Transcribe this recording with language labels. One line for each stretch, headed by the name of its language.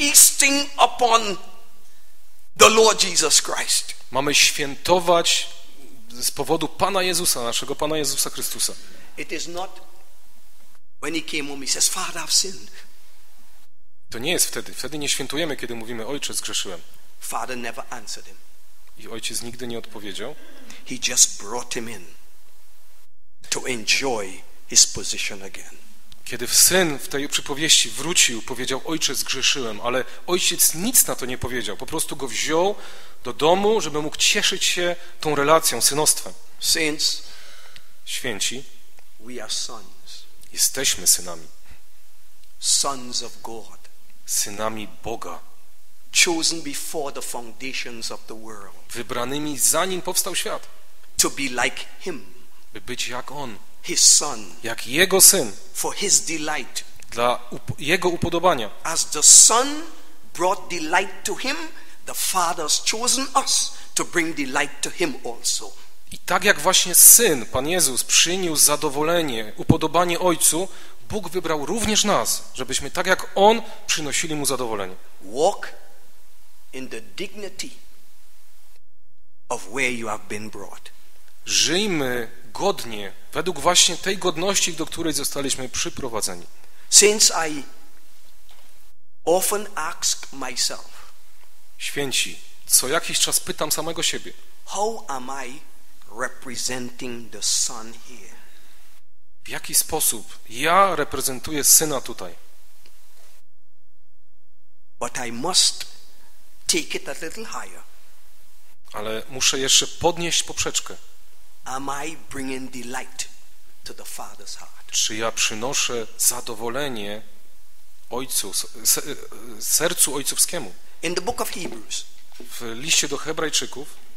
English: Feasting upon the Lord Jesus Christ.
Polish: Mamy świętować z powodu Pana Jezusa, naszego Pana Jezusa Chrystusa.
English: It is not when he came home, he says, Father, I've sinned.
Polish: To nie jest wtedy. Wtedy nie świętujemy, kiedy mówimy, ojcze, zgrzeszyłem.
English: Father never answered him.
Polish: I ojciec nigdy nie odpowiedział.
English: He just brought him in. to enjoy his position again.
Polish: Kiedy syn w tej przypowieści wrócił, powiedział: Ojcze, zgrzeszyłem, ale ojciec nic na to nie powiedział. Po prostu go wziął do domu, żeby mógł cieszyć się tą relacją, synostwem.
English: Saints,
Polish: święci,
English: we are sons.
Polish: Jesteśmy synami.
English: Sons of God.
Polish: Synami Boga.
English: Chosen before the foundations of the world.
Polish: Wybranymi zanim powstał świat.
English: To be like him.
Polish: By być jak on.
English: His son.
Polish: Jak jego syn.
English: For his delight.
Polish: Dla jego upodobania.
English: As the son brought delight to him, the father has chosen us to bring delight to him also.
Polish: I tak jak właśnie syn, Pan Jezus, przyniósł zadowolenie, upodobanie ojcu, Bóg wybrał również nas, żebyśmy tak jak on przynosili mu zadowolenie.
English: Walk in the dignity of where you have been brought.
Polish: Żyjmy godnie, według właśnie tej godności, do której zostaliśmy przyprowadzeni.
English: Since I often ask myself,
Polish: święci, co jakiś czas pytam samego siebie,
English: how am I representing the Son here?
Polish: W jaki sposób ja reprezentuję Syna tutaj?
English: But I must take it a little higher.
Polish: Ale muszę jeszcze podnieść poprzeczkę.
English: Am I bringing delight to the Father's heart?
Polish: Czy ja przynoszę zadowolenie ojcu, sercu ojcowskiemu?
English: In the book of Hebrews,
Polish: w liście do Hebrajczyków,